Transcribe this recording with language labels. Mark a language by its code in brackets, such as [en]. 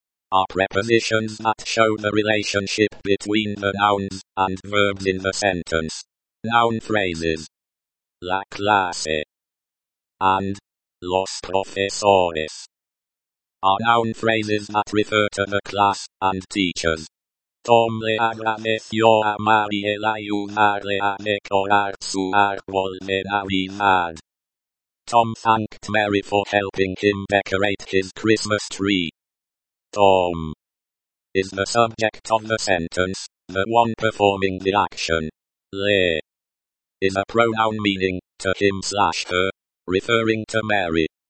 [en] Are prepositions that show the relationship between the nouns and verbs in the sentence. Noun phrases. [es] La clase. And. Los profesores. [en] Are noun phrases that refer to the class and teachers. [es] Tom le agradeció a Mariel ayudarle a decorar su árbol de Navidad. [en] Tom thanked Mary for helping him decorate his Christmas tree. Tom is the subject of the sentence, the one performing the action. [es] Le [en] is a pronoun meaning to him slash her, referring to Mary.